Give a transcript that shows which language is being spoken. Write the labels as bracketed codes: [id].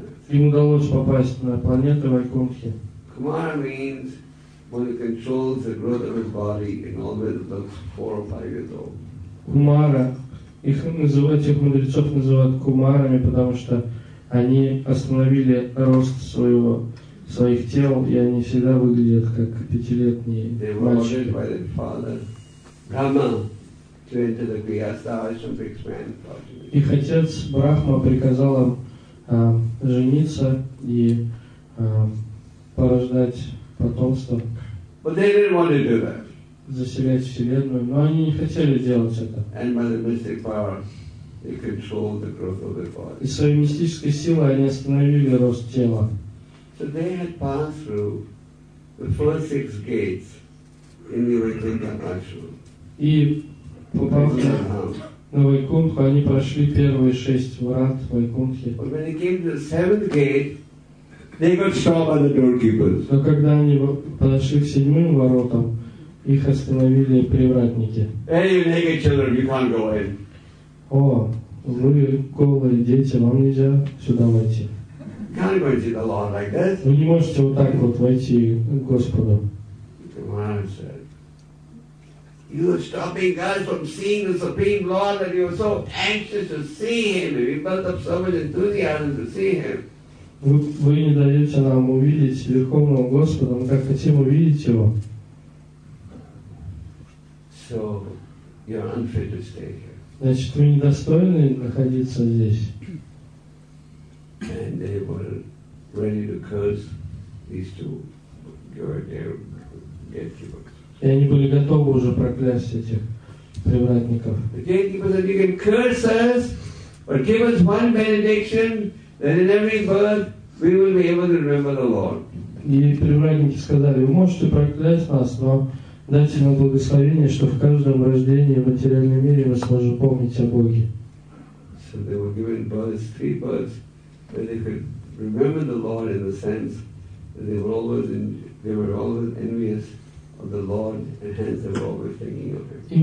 [ru] Им удалось попасть на планету Вайкунтхи. [en] Kumara means when he controls the growth of his body and always looks 4 or 5 years old. [ru] Кумара. Их называют, тех мудрецов называют кумарами, потому что они остановили рост своих тел, и они всегда выглядят как 5-летние мальчики. Их отец Брахма приказал им жениться и порождать. рождать потомство. [en] But they didn't want to do that. [ru] Заселять вселенную, но они не хотели делать это. [en] And by the mystic power, they controlled the growth of their body. [ru] И своей мистической силой они остановили рост тела. [en] So they had passed through the first six gates in the Vaikuntha ashram. [ru] И попав на Вайкунху, они прошли первые шесть врат Вайкунхи. [en] But when they came to the seventh gate, they got stopped by the doorkeepers. [ru] Но когда они подошли к седьмым воротам, их остановили привратники. [en] Hey, you naked children, you can't go in. [ru] О, вы голые дети, вам нельзя сюда войти. [en] Can't go into the Lord like this. [ru] Вы не можете вот так вот войти к Господу. [en] You are stopping us from seeing the Supreme Lord that you are so anxious to see him. We built up so much enthusiasm to see him. [ru] Вы не даете нам увидеть Верховного Господа, мы как хотим увидеть Его. [en] So, you're unfit to stay here. [ru] Значит, вы недостойны находиться здесь. [en] And they were ready to curse these two gatekeepers. [ru] И они были готовы уже проклясть этих привратников. [en] The gatekeepers said, you can curse us, but give us one benediction, then in every birth, we will be able to remember the Lord. [ru] И привратники сказали, вы можете проклясть нас, но дайте нам благословение, что в каждом рождении в материальном мире мы сможем помнить о Боге. [en] So they were given births, three births, where they could remember the Lord in the sense that they were always envious of the Lord and hence they were always thinking of Him.